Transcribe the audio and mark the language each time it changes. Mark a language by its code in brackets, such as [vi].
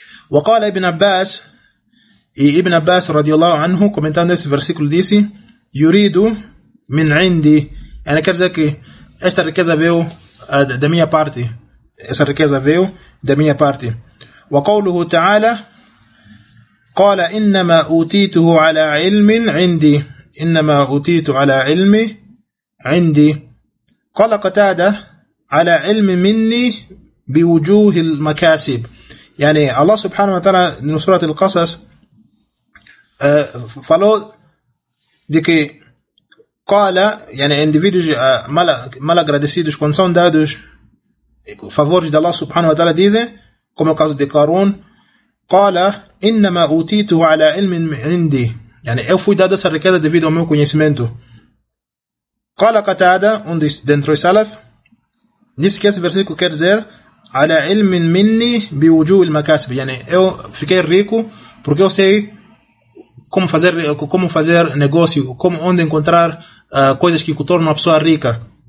[ar] وقال ابن عباس ابن عباس رضي الله عنه [pt] comentando esse versículo disse [ar] يريد من عندي يعني [pt] quer dizer que esta riqueza veio da minha parte, essa riqueza veio da minha parte. [ar] وقوله تعالى قال إنما أوتيته على علم عندي إنما أوتيت على علم عندي قال قتادة على علم مني بوجوه المكاسب يعني الله سبحانه وتعالى من سورة القصص فلو ديكي قال يعني [pt] individuos mal agradecidos quando são dados favores de Allah subhanahu wa ta'ala dizem como o caso de Qarun [ar] قال إنما أوتيته على علم عندي يعني [pt] eu fui dado essa riqueza devido ao meu conhecimento. [ar] قال قتادة [pt] dentro do salaf disse que esse versículo quer dizer [ar] على علم مني بوجوه المكاسب يعني [pt] eu fiquei rico porque eu sei como fazer negócio, como onde encontrar coisas que tornam a pessoa rica.